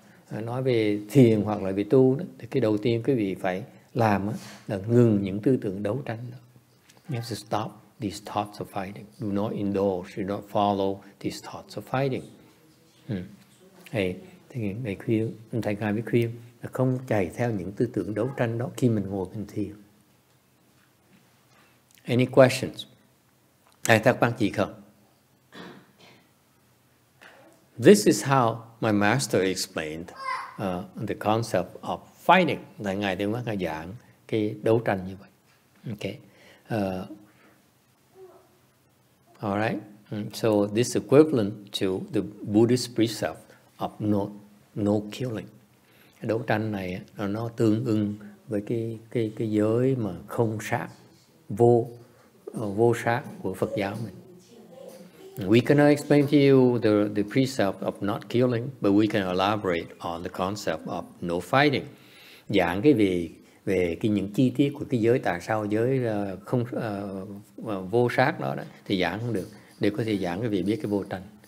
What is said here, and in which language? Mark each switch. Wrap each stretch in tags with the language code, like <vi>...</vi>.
<vi>Nói về thiền hoặc là về tu đó, thì cái đầu tiên quý vị phải làm đó, là ngừng những tư tưởng đấu tranh đó.</vi> <en>You have to stop these thoughts of fighting. Do not indulge, do not follow these thoughts of fighting.</en> <vi>Thầy khuyên, thầy Ngài mới khuyên là không chạy theo những tư tưởng đấu tranh đó khi mình ngồi mình thiền.</vi> <en>Any questions?</en> <vi>Ai thắc mắc gì không?</vi> <en>This is how my master explained the concept of fighting.</en> <vi>Tại Ngài Thiện Hóa, Ngài giảng cái đấu tranh như vậy.</vi> <en>Okay. All right. So this is equivalent to the Buddhist precept of no killing.</en> <vi>Đấu tranh này nó tương ứng với cái giới mà không sát, vô sát của Phật giáo mình.</vi> <en>We cannot explain to you the precept of not killing, but we can elaborate on the concept of no fighting.</en> <vi>Giảng cái về cái những chi tiết của cái giới tại sao giới không vô sát đó thì giảng không được, để có thể giảng cái vị biết cái vô tranh.</vi>